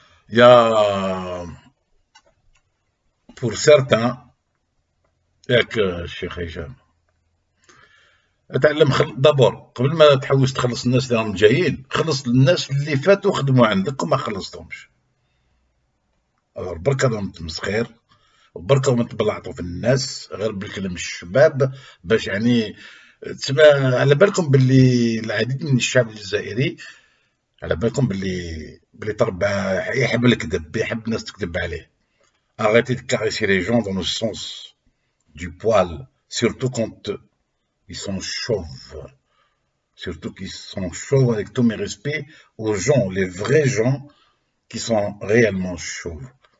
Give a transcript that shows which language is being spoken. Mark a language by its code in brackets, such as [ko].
[fr] il y a pour certains avec Cheikh Hicham. [ar] اتعلم دابور قبل ما تحوس تخلص الناس اللي راهم جايين خلص الناس اللي فاتوا خدموا عندك وما خلصتهمش بركه دوم تمسخير وبركه دوم تبلعطوا في الناس غير بالكلام الشباب باش يعني تسمع على بالكم باللي العديد من الشعب الجزائري على بالكم باللي تربى يحب الكذب يحب الناس تكذب عليه [fr] arrêtez de caresser les gens dans le sens du poil surtout quand Ils sont chauves. Surtout qu'ils sont chauves avec tous mes respects aux gens, les vrais gens qui sont réellement chauves.